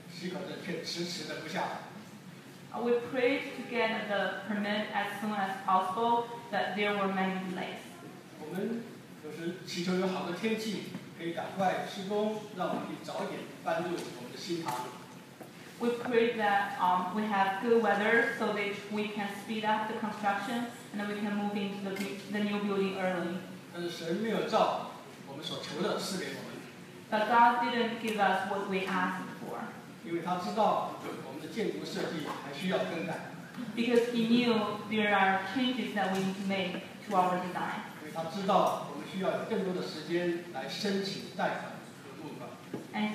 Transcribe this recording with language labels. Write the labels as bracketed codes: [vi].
[zh] 我们为着某项工程的施工许可证祷告，快点能够获得，但是许可证却迟迟的不下来。 [en] We prayed to get the permit as soon as possible, but there were many delays. [zh] 我们就是祈求有好的天气，可以赶快施工，让我们可以早点搬入我们的新堂。 [en] We pray that we have good weather so that we can speed up the construction and then we can move into the new building early. [zh] 但是神没有照我们所求的赐给我们。 [en] But God didn't give us what we asked for. [zh] 因为他知道我们的建筑设计还需要更改。 [en] Because He knew there are changes that we need to make to our design. [zh] 他知道我们需要更多的时间来申请贷款和募款。 [en] And